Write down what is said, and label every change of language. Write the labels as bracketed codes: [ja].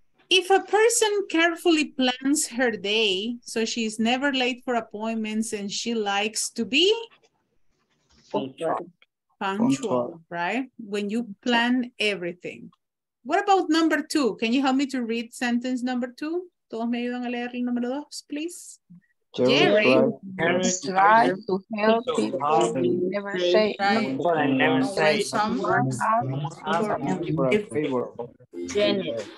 [en] If a person carefully plans her day, so she's never late for appointments and she likes to be? Punctual, right? When you plan everything. What about number two? Can you help me to read sentence number two? [es] Todos me ayudan a leer el número dos, [en] please. Jerry tries to help people, never say something.